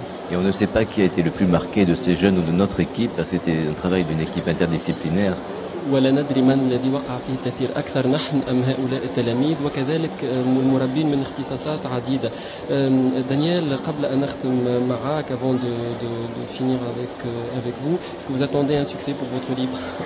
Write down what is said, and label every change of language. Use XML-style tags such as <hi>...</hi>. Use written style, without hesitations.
<fr>Et on ne sait pas qui a été le plus marqué de ces jeunes ou de notre équipe parce que c'était un travail d'une équipe interdisciplinaire.</fr> <ar>ولا ندري من الذي وقع فيه تأثير أكثر نحن أم هؤلاء التلاميذ وكذلك المربين من اختصاصات عديدة.</ar> <fr>دانيال</fr> <ar>قبل أن نختم معك</ar> <fr>avant de finir avec vous, est-ce que vous attendez un succès pour votre livre?</fr>